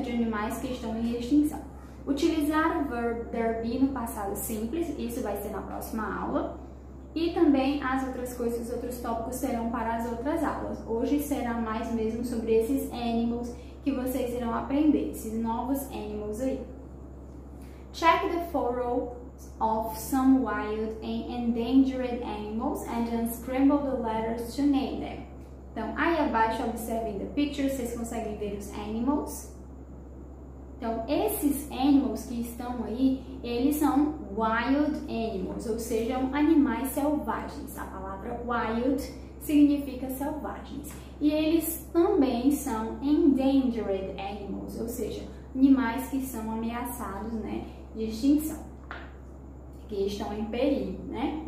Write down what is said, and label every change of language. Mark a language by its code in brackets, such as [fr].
[pt] De animais que estão em extinção. Utilizar o verb there be no passado simples. Isso vai ser na próxima aula. E também as outras coisas, os outros tópicos serão para as outras aulas. Hoje será mais mesmo sobre esses animals que vocês irão aprender. Esses novos animals aí. [en] Check the photos of some wild and endangered animals and unscramble the letters to name them. [pt] Então, aí abaixo, observem [en] the picture, [pt] vocês conseguem ver os animals. Então, esses animals que estão aí, eles são [en] wild animals, [pt] ou seja, animais selvagens. A palavra wild significa selvagens. E eles também são [en] endangered animals, [pt] ou seja, animais que são ameaçados, né, de extinção, que estão em perigo, né?